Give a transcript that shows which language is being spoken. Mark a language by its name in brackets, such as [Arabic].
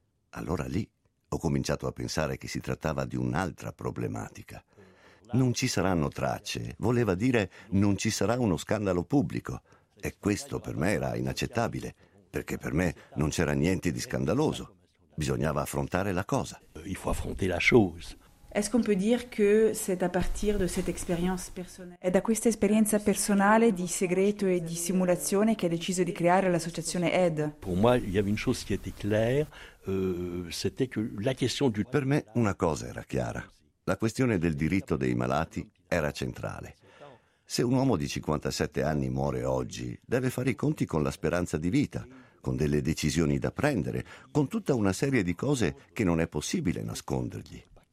[Italian] Allora lì ho cominciato a pensare che si trattava di un'altra problematica. Non ci saranno tracce voleva dire non ci sarà uno scandalo pubblico. E questo per me era inaccettabile, perché per me non c'era niente di scandaloso. Bisognava affrontare la cosa. [French] Il faut affronter la chose. Est-ce qu'on peut dire que c'est à partir de cette expérience personnelle? [Italian] È da questa esperienza personale di segreto e di simulazione che ha deciso di creare l'associazione AID. [French] Pour moi, il y avait une chose qui était claire, c'était que la question du... [Italian] Per me una cosa era chiara. La questione del diritto dei malati era centrale. Se un uomo di 57 anni muore oggi, deve fare i conti con la speranza di vita, con delle decisioni da prendere, con tutta una serie di cose che non è possibile nascondergli.